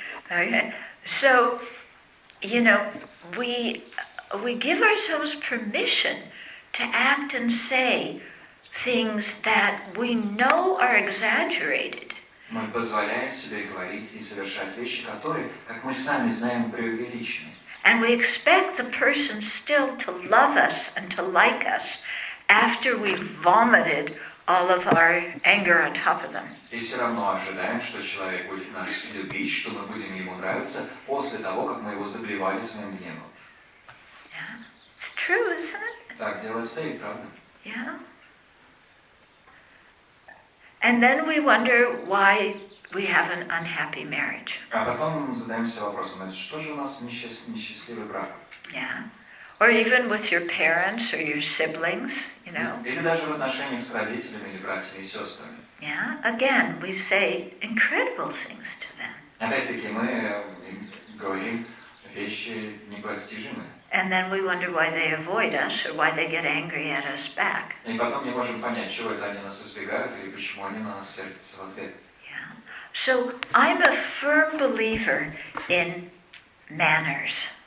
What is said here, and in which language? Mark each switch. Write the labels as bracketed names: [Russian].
[English] Okay, so, you know, we give ourselves permission to act and say things that we know are exaggerated. [Russian] Мы позволяем себе говорить и совершать вещи, которые, как мы сами знаем, преувеличены. [English] And we expect the person still to love us and to like us after we've vomited all of our anger on top of them. [Russian] И все равно ожидаем, что человек будет нас любить, что мы будем ему нравиться после того, как мы его заблевали своим гневом. [English] Yeah. It's true, isn't it? [Russian] Так дело стоит, правда? [English] Yeah. And then we wonder why we have an unhappy marriage. [Russian] А потом мы задаемся вопросом, что же у нас несчастливый брак? [English] Yeah. Or even with your parents or your siblings, you know. [Russian] Или даже в отношениях с родителями или братьями и сестрами. [English] Yeah. Again, we say incredible things to them. [Russian] Опять-таки мы говорим вещи непостижимые. [English] And then we wonder why they avoid us or why they get angry at us back. [Russian] И потом не можем понять, чего это они нас избегают или почему они на нас сердятся в ответ. [English] Yeah. So I'm a firm believer in manners.